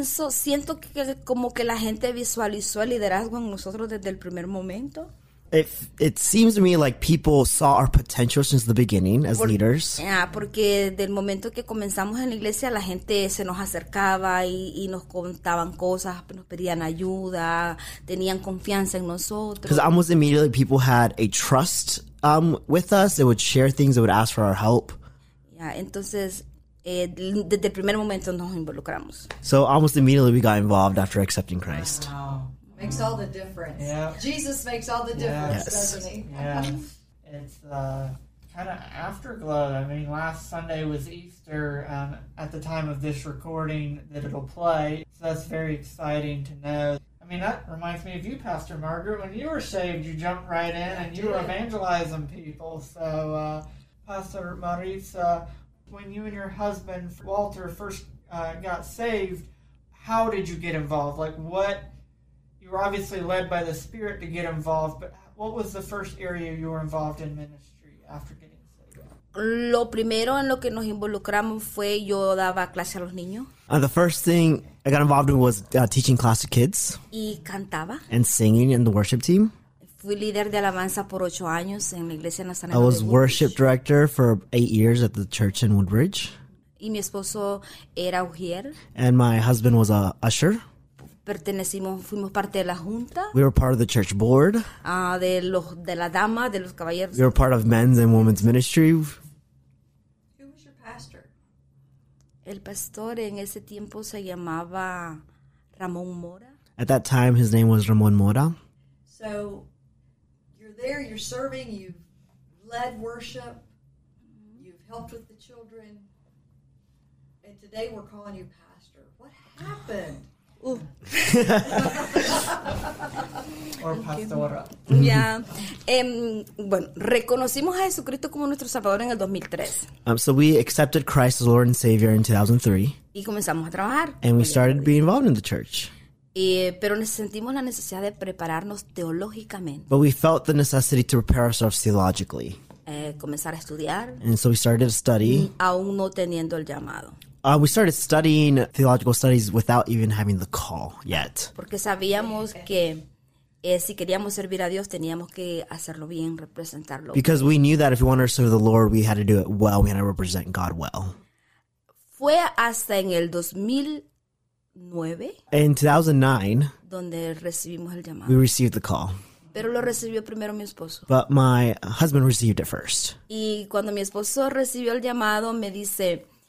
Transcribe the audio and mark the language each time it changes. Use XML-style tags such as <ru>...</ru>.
<es>Siento que como que la gente visualizó el liderazgo en nosotros desde el primer momento.</es> <en>It seems to me like people saw our potential since the beginning as leaders.</en> <es>Yeah, porque del momento que comenzamos en la iglesia, la gente se nos acercaba y nos contaban cosas, nos pedían ayuda, tenían confianza en nosotros.</es> <en>Because almost immediately people had a trust with us. They would share things, they would ask for our help.</en> <es>Yeah, entonces, desde el primer momento nos involucramos.</es> <en>So almost immediately we got involved after accepting Christ. Wow. Makes all the difference. Yeah. Jesus makes all the difference, yes. Doesn't he? Yeah. It's kind of afterglow. I mean, last Sunday was Easter at the time of this recording that it'll play. So that's very exciting to know. I mean, that reminds me of you, Pastor Margaret. When you were saved, you jumped right in and you were evangelizing people. So, Pastor Maritza, when you and your husband, Walter, first got saved, how did you get involved? Like, what... You were obviously led by the Spirit to get involved, but what was the first area you were involved in ministry after getting saved?</en> <es>Lo primero en lo que nos involucramos fue yo daba clase a los niños.</es> <en>And the first thing I got involved in was teaching class to kids.</en> <es>Y cantaba.</es> <en>And singing in the worship team.</en> <es>Fui líder de alabanza por 8 años en la iglesia Nazareno de</es> <en>Woodbridge. I was worship director for 8 years at the church in Woodbridge.</en> <es>Y mi esposo era ujier.</es> <en>And my husband was a usher.</en> <es>Pertenecimos, fuimos parte de la junta.</es> <en>We were part of the church board.</en> <es>De la dama, de los caballeros.</es> <en>We were part of men's and women's ministry. Who was your pastor?</en> <es>El pastor en ese tiempo se llamaba Ramón Mora.</es> <en>At that time, his name was Ramón Mora. So, you're there, you're serving, you've led worship, you've helped with the children, and today we're calling you pastor. What happened? Or pastora.</en> <es>Ya. Bueno, reconocimos a Jesucristo como nuestro Salvador en el 2003.</es> <en>So we accepted Christ as Lord and Savior in 2003.</en> <es>Y comenzamos a trabajar.</es> <en>And we started being involved in the church.</en> <es>Pero sentimos la necesidad de prepararnos teológicamente.</es> <en>But we felt the necessity to prepare ourselves theologically.</en> <es>Comenzar a estudiar.</es> <en>And so we started to study.</en> <es>Aún no teniendo el llamado.</es> <en>We started studying theological studies without even having the call yet.</en> <es>Porque sabíamos que si queríamos servir a Dios, teníamos que hacerlo bien, representarlo.</es> <en>Because we knew that if we wanted to serve the Lord, we had to do it well, we had to represent God well.</en> <es>Fue hasta en el 2009.</es> <en>In 2009.</en> <es>Donde recibimos el llamado.</es> <en>We received the call.</en> <es>Pero lo recibió primero mi esposo.</es> <en>But my husband received it first.</en> <es>Y cuando mi esposo recibió el llamado, me dice...</es>